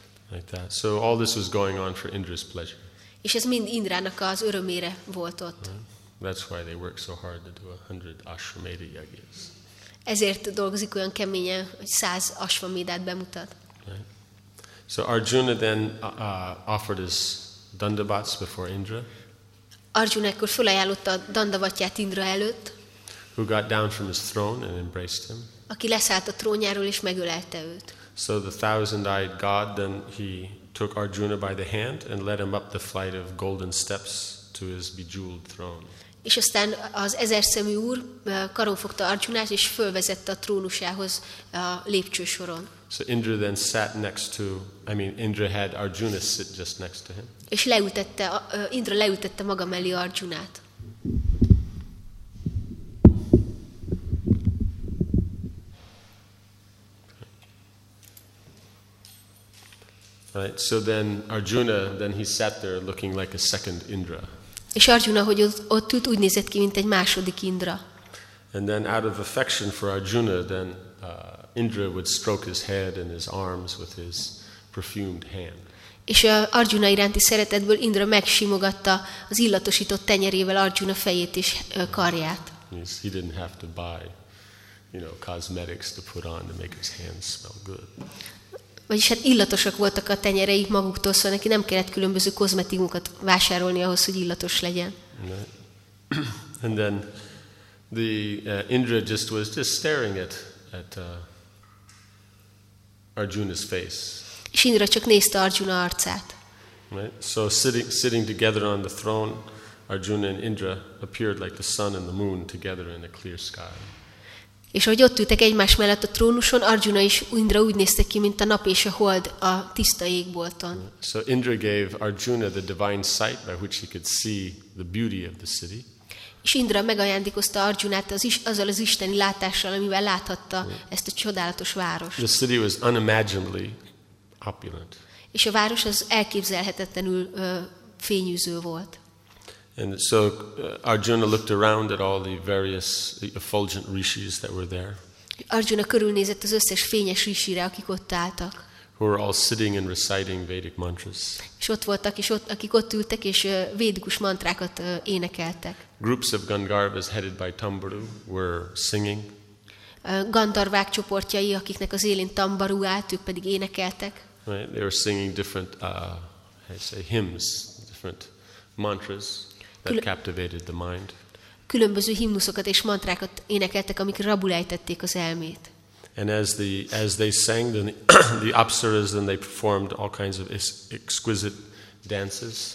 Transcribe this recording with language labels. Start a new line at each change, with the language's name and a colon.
English: Like that. So all this was going on for Indra's pleasure.
Hungarian: És ez mind Indrának az örömére volt ott.
English: That's why they work so hard to do 100 Ashwamedha yagyas.
Hungarian: Ezért dolgozik olyan keményen, hogy 100 Ashwamedhát bemutat. Right.
English: So Arjuna then offered his dandavats before Indra.
Hungarian: Arjuna ekkor felajánlotta a dandavatját Indra előtt.
English: Who got down from his throne and embraced him.
Hungarian: Aki leszállt a trónjáról és megölelte őt.
English: So the thousand-eyed god then he took Arjuna by the hand and led him up the flight of golden steps to his bejeweled throne.
Hungarian: És aztán az ezerszemű úr karonfogta Arjunát és fölvezette a trónusához a lépcsősoron.
English: So Indra then sat next to, I mean Indra had Arjuna sit just next to him.
Hungarian: És leültette, Indra leültette maga mellé Arjunát.
English: Right, so then Arjuna, then he sat there looking like a second Indra.
Hungarian: És Arjuna, hogy ott ült, úgy nézett ki, mint egy második Indra.
English: And then out of affection for Arjuna, then Indra would stroke his head and his arms with his perfumed hand.
Hungarian: És Arjuna iránti szeretetből Indra megsimogatta az illatosított tenyerével Arjuna fejét és karját.
English: He didn't have to buy, you know, cosmetics to put on to make his hands smell good.
Hungarian: Vagyis hát illatosak voltak a tenyerei maguktól, szóval neki nem kellett különböző kozmetikumokat vásárolni ahhoz, hogy illatos legyen.
English: And then the Indra just was just staring at Arjuna's face.
Hungarian: És Indra csak nézte Arjuna arcát.
English: Right? So sitting together on the throne, Arjuna and Indra appeared like the sun and the moon together in a clear sky.
Hungarian: És ahogy ott ültek egymás mellett a trónuson, Arjuna és Indra úgy néztek ki, mint a nap és a hold a tiszta égbolton.
English: So Indra gave Arjuna the divine sight by which he could see the beauty of the city.
Hungarian: És Indra megajándékozta Arjunát azzal az isteni látással, amivel láthatta ezt a csodálatos várost.
English: The city was unimaginably opulent.
Hungarian: És a város az elképzelhetetlenül fényűző volt.
English: And so Arjuna looked around at all the various effulgent rishis that were there.
Hungarian: Arjuna körülnézett az összes fényes rishire, akik ott álltak.
English: Who were all sitting and reciting Vedic mantras.
Hungarian: És ott voltak, és ott, akik ott ültek, és védikus mantrákat énekeltek.
English: Groups of Gandharvas headed by Tambaru were singing.
Hungarian: Gandharvák csoportjai, akiknek az élén Tambaru állt, ők pedig énekeltek.
English: Right, they were singing different hymns, different mantras. That captivated the mind.
Hungarian: Különböző himnuszokat és mantrákat énekeltek, amik rabul ejtették az elmét.
English: And as they sang, the apsaras then they performed all kinds of exquisite dances.